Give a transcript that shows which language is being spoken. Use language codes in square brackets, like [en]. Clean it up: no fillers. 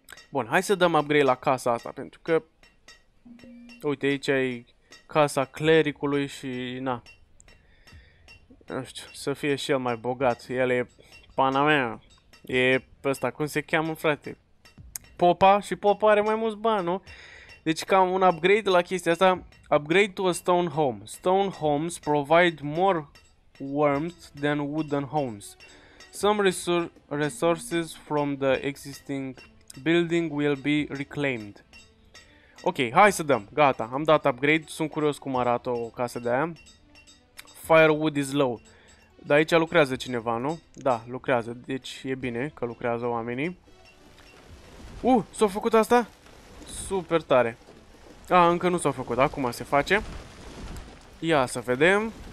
[ro] Bun, hai să dăm upgrade la casa asta, pentru că uite, aici e casa clericului și na. Nu știu, să fie și el mai bogat. El e pana mea. E ăsta, cum se cheamă, frate? Popa, și Popa are mai mulți bani, nu? Deci cam un upgrade la chestia asta. [en] Upgrade to a stone home. Stone homes provide more warmth than wooden homes. Some resources from the existing building will be reclaimed. [ro] Ok, hai să dăm. Gata, am dat upgrade. Sunt curios cum arată o casă de aia. [en] Firewood is low. [ro] Dar aici lucrează cineva, nu? Da, lucrează. Deci e bine că lucrează oamenii. S-a făcut asta? Super tare. Încă nu s-a făcut. Acum se face. Ia să vedem.